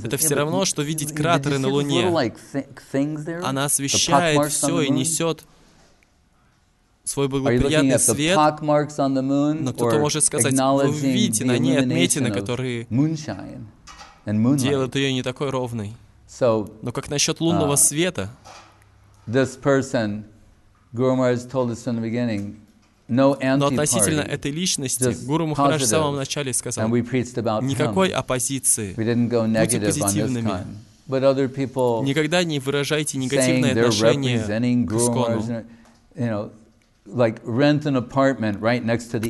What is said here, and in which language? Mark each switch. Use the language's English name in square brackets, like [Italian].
[Russian] это все равно, что видеть кратеры на Луне. Она освещает все и несет свой благоприятный свет. Но кто-то может сказать, вы видите на ней отметины, которые делают ее не такой ровной. So, но как насчет лунного света? [English] This person, Guru Maharaj told us from the beginning, no anti-party, [Russian] но относительно этой личности, Гуру Махарадж в самом начале сказал, никакой оппозиции, будьте позитивными. Никогда не выражайте негативное отношение к ИСКОНу.